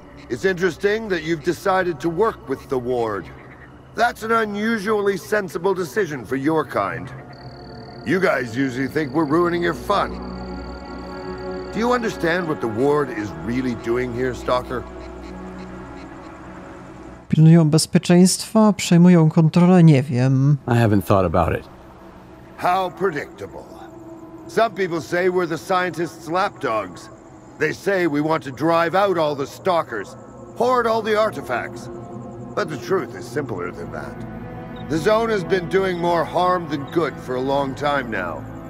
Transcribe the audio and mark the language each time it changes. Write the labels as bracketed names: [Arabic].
[English] It's interesting that you've decided to work with the Ward. That's an unusually sensible decision for your kind. You guys usually think we're ruining your fun. Do you understand what the Ward is really doing here, Stalker? [Polish] Pilnują bezpieczeństwa, przejmują kontrolę, nie wiem. [English] I haven't thought about it. How predictable. Some people say we're the scientists' lapdogs. They say we want to drive out all the stalkers, hoard all the artifacts. But the truth is simpler than that. The Zone has been doing more harm than good for a long time now.